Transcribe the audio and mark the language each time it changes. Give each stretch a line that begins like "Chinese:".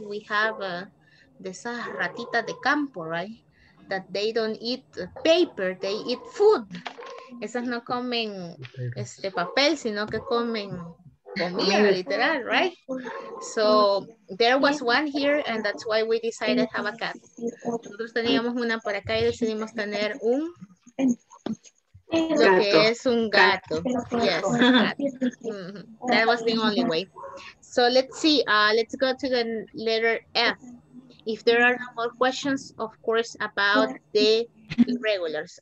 English: We have
Spanish: esas ratitas de campo, right?
English: That they don't eat paper, they eat food.
Spanish: Esas no comen papel, sino que comen comida, literal,
English: right? So there was one here, and that's why we decided to have a cat.
Spanish: Nosotros teníamos una por acá y decidimos tener un lo que es un gato.
English: Yes, gato. That was the only way. So let's see, let's go to the letter F. If there are no more questions, of course, about the irregulars.